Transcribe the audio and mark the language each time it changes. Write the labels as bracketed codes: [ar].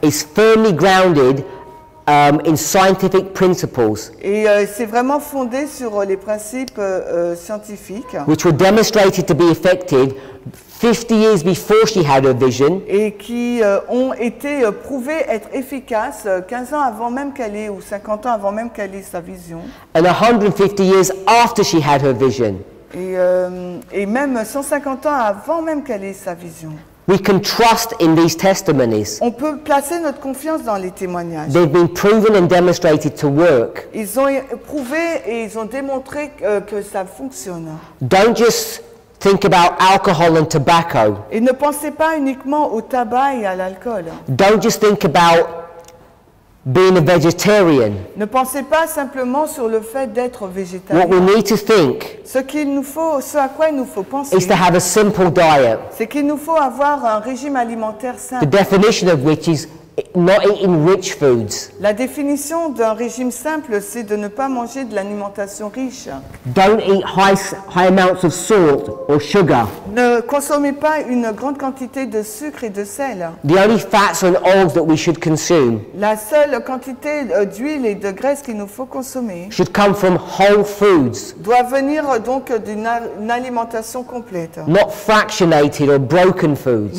[en] Is firmly grounded in scientific principles. [fr] Et c'est vraiment fondé sur les principes scientifiques. [en] Which were demonstrated to be effective 50 years before she had her vision. [fr] Et qui ont été prouvés être efficaces 15 ans avant même qu'elle ait, ou 50 ans avant même qu'elle ait sa vision. [en] And 150 years after she had her vision. [fr] Et même 150 ans avant même qu'elle ait sa vision. [en] We can trust in these testimonies. [fr] On peut placer notre confiance dans les témoignages. [en] They've been proven and demonstrated to work. [fr] Ils ont prouvé et ils ont démontré que ça fonctionne. [en] Don't just think about alcohol and tobacco. [fr] Et ne pensez pas uniquement au tabac et à l'alcool. [en] Don't just think about being a vegetarian. [fr] Ne pensez pas simplement sur le fait d'être végétarien. [en] What we need to think. [fr] Ce qu'il nous faut, ce à quoi il nous faut penser. [en] Is to have a simple diet. [fr] C'est qu'il nous faut avoir un régime alimentaire simple. [en] The definition of which is not eating rich foods. [fr] La définition d'un régime simple, c'est de ne pas manger de l'alimentation riche. [en] Don't eat high amounts of salt or sugar. [fr] Ne consommez pas une grande quantité de sucre et de sel. [en] The only fats and oils that we should consume. [fr] La seule quantité d'huile et de graisse qu'il nous faut consommer. [en] Should come from whole foods. [fr] Doit venir donc d'une alimentation complète. [en] Not fractionated or broken foods.